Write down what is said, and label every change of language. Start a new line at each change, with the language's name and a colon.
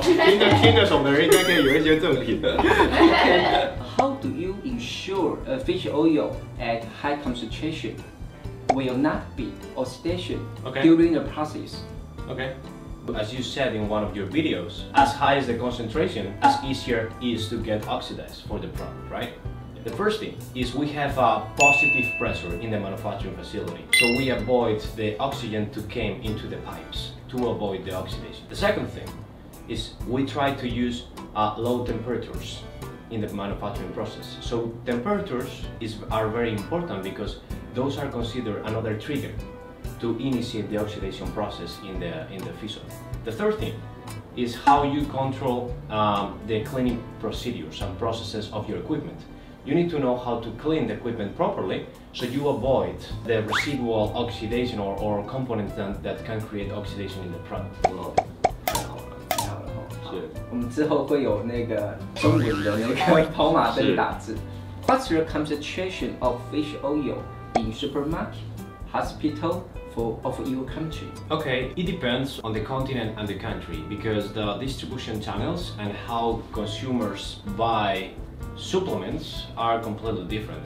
Chinese: 听着什么人应该可以有一些赠品的。
English: How do you ensure a fish oil at high concentration will not be oxidation during the process? Okay. As you said in one of your videos, as high as the concentration, as easier it is to get oxidized for the product, right? The first thing is we have a positive pressure in the manufacturing facility, so we avoid the oxygen to come into the pipes to avoid the oxidation. The second thing is we try to use low temperatures in the manufacturing process. So temperatures are very important because those are considered another trigger. To initiate the oxidation process in the fish oil. The third thing is how you control the cleaning procedures and processes of your equipment. You need to know how to clean the equipment properly so you avoid the residual oxidation or components that can create oxidation in the product.
Chinese: Wow. 太好了，太好了。是。我们之后会有那个中文的那个跑马灯打字。
English: What's your concentration of fish oil in supermarket, hospital? Of your country? Okay, it depends on the continent and the country because the distribution channels and how consumers buy supplements are completely different.